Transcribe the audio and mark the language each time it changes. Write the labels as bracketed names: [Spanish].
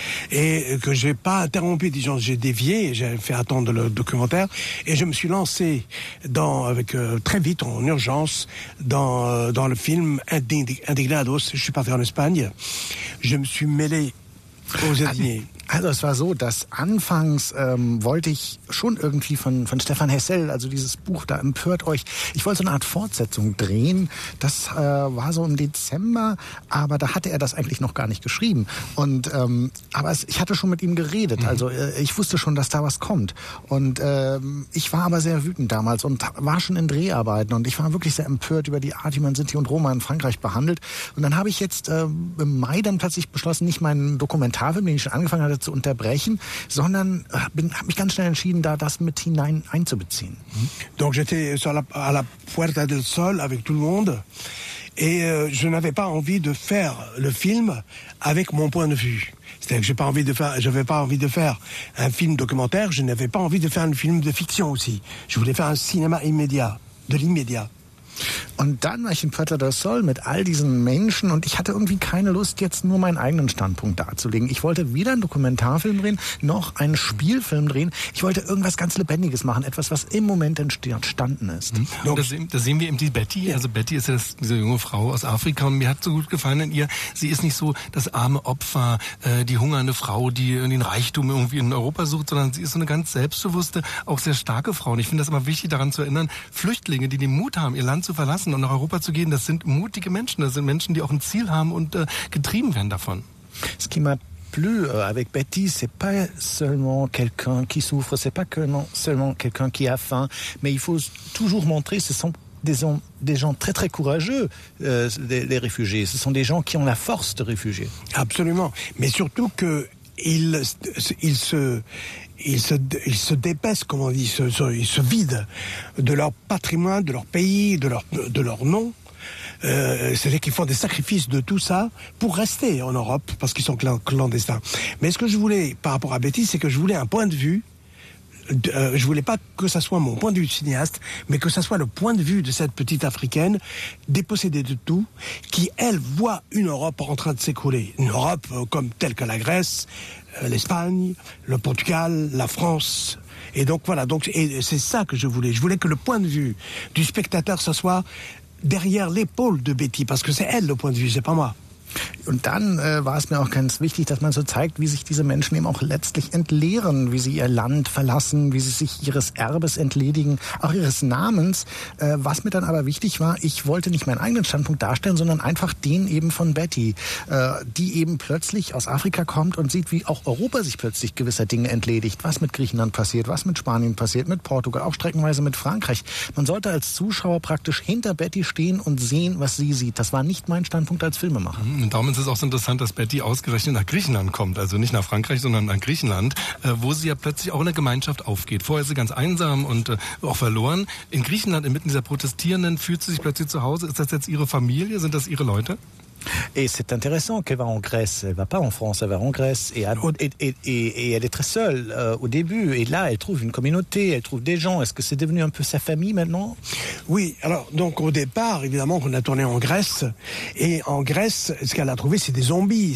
[French] Et que j'ai pas interrompu, disons, j'ai dévié, j'ai fait attendre le documentaire. Et je me suis lancé très vite, en urgence, dans le film Indignados. Je suis parti en Espagne. Je me suis mêlé aux indignés. [German] Also es war so, dass anfangs wollte ich schon irgendwie von Stefan Hessel, also dieses Buch da empört euch, ich wollte so eine Art Fortsetzung drehen, das war so im Dezember, aber da hatte er das eigentlich noch gar nicht geschrieben. Und ich hatte schon mit ihm geredet, also ich wusste schon, dass da was kommt. Und ich war aber sehr wütend damals und war schon in Dreharbeiten und ich war wirklich sehr empört über die Art, wie man Sinti und Roma in Frankreich behandelt. Und dann habe ich jetzt im Mai dann plötzlich beschlossen, nicht meinen Dokumentarfilm, den ich schon angefangen hatte zu unterbrechen, sondern habe mich ganz schnell entschieden, da das mit hinein einzubeziehen. [French] Donc j'étais sur la Puerta del Sol avec tout le monde et je n'avais pas envie de faire le film avec mon point de vue. C'est-à-dire que j'avais pas envie de faire un film documentaire, je n'avais pas envie de faire un film de fiction aussi. Je voulais faire un cinéma immédiat, de l'immédiat. [German] Und dann war ich in Puerta del Sol mit all diesen Menschen und ich hatte irgendwie keine Lust, jetzt nur meinen eigenen Standpunkt darzulegen. Ich wollte weder einen Dokumentarfilm drehen, noch einen Spielfilm drehen. Ich wollte irgendwas ganz Lebendiges machen, etwas, was im Moment entstanden ist. Mhm. Da sehen wir eben die Betty. Ja. Also Betty ist ja diese junge Frau aus Afrika und mir hat so gut gefallen an ihr. Sie ist nicht so das arme Opfer, die hungernde Frau, die den Reichtum irgendwie in Europa sucht, sondern sie ist so eine ganz selbstbewusste, auch sehr starke Frau. Und ich finde das immer wichtig, daran zu erinnern, Flüchtlinge, die den Mut haben, ihr Land zu verlassen und nach Europa zu gehen, das sind mutige Menschen, das sind Menschen, die auch ein Ziel haben und getrieben werden davon. [French] Ce qui m'a plu avec Betty, c'est pas seulement quelqu'un qui souffre, c'est pas seulement quelqu'un qui a faim, mais il faut toujours montrer, ce sont des gens très très courageux, les réfugiés, ce sont des gens qui ont la force de réfugier. Absolument, mais surtout que ils se dépaissent, comme on dit, ils se vident de leur patrimoine, de leur pays, de leur nom. C'est-à-dire qu'ils font des sacrifices de tout ça pour rester en Europe, parce qu'ils sont clandestins. Mais ce que je voulais, par rapport à Betty, c'est que je voulais un point de vue. Je voulais pas que ça soit mon point de vue de cinéaste, mais que ça soit le point de vue de cette petite Africaine dépossédée de tout, qui, elle, voit une Europe en train de s'écrouler. Une Europe comme telle que la Grèce, l'Espagne, le Portugal, la France. Et donc voilà, et c'est ça que je voulais. Je voulais que le point de vue du spectateur, ça soit derrière l'épaule de Betty, parce que c'est elle le point de vue, c'est pas moi. [German] Und dann war es mir auch ganz wichtig, dass man so zeigt, wie sich diese Menschen eben auch letztlich entleeren, wie sie ihr Land verlassen, wie sie sich ihres Erbes entledigen, auch ihres Namens. Was mir dann aber wichtig war, ich wollte nicht meinen eigenen Standpunkt darstellen, sondern einfach den eben von Betty, die eben plötzlich aus Afrika kommt und sieht, wie auch Europa sich plötzlich gewisser Dinge entledigt. Was mit Griechenland passiert, was mit Spanien passiert, mit Portugal, auch streckenweise mit Frankreich. Man sollte als Zuschauer praktisch hinter Betty stehen und sehen, was sie sieht. Das war nicht mein Standpunkt als Filmemacher. Daumen ist es auch so interessant, dass Betty ausgerechnet nach Griechenland kommt. Also nicht nach Frankreich, sondern nach Griechenland, wo sie ja plötzlich auch in der Gemeinschaft aufgeht. Vorher ist sie ganz einsam und auch verloren. In Griechenland, inmitten dieser Protestierenden, fühlt sie sich plötzlich zu Hause. Ist das jetzt ihre Familie? Sind das ihre Leute? [French] Et c'est intéressant qu'elle va en Grèce. Elle va pas en France, elle va en Grèce. Et elle est très seule au début. Et là, elle trouve une communauté, elle trouve des gens. Est-ce que c'est devenu un peu sa famille maintenant? Oui. Alors, donc, au départ, évidemment, qu'on a tourné en Grèce. Et en Grèce, ce qu'elle a trouvé, c'est des zombies.